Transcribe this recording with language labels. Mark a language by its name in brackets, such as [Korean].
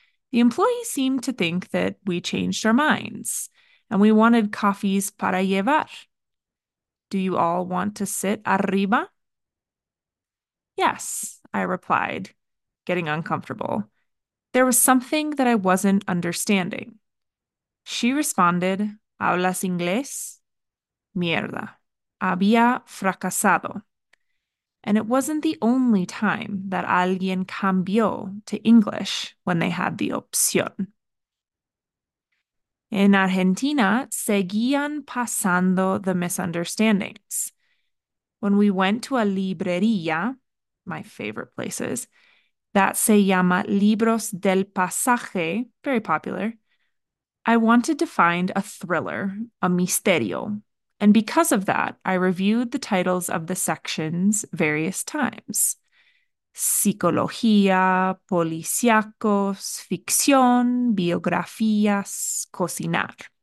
[English] The employee seemed to think that we changed our minds and we wanted coffees [Spanish] para llevar. [English] Do you all want to sit [Spanish] arriba? [English] Yes, I replied, getting uncomfortable. There was something that I wasn't understanding. She responded, [Spanish] ¿Hablas inglés? Mierda, había fracasado. [English] And it wasn't the only time that [Spanish] alguien cambió [English] to English when they had the [Spanish] opción. [English] In Argentina, [Spanish] seguían pasando [English] the misunderstandings. When we went to a [Spanish] librería, [English] my favorite places, that [Spanish] se llama [English] Libros del Pasaje, very popular, I wanted to find a thriller, a [Spanish] misterio, [English] and because of that, I reviewed the titles of the sections various times. [Spanish] Psicología, policíacos, ficción, biografías, cocinar.